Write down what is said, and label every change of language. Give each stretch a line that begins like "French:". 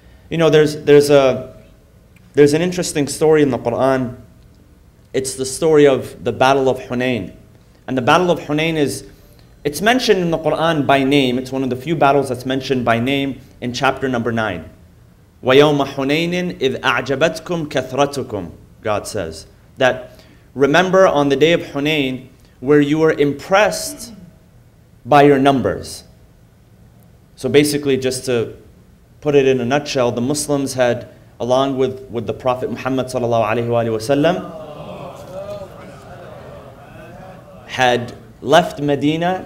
English: You know, there's an interesting story in the Quran. It's the story of the Battle of Hunain. And the Battle of Hunain it's mentioned in the Quran by name. It's one of the few battles that's mentioned by name in chapter number 9.
Arabic: وَيَوْمَ حُنَيْنٍ إِذْ أَعْجَبَتْكُمْ كَثْرَتُكُمْ,
English: God says. That remember on the day of Hunain where you were impressed by your numbers. So basically, just to put it in a nutshell, the Muslims had, along with the Prophet Muhammad sallallahu alaihi wa sallam, had left Medina.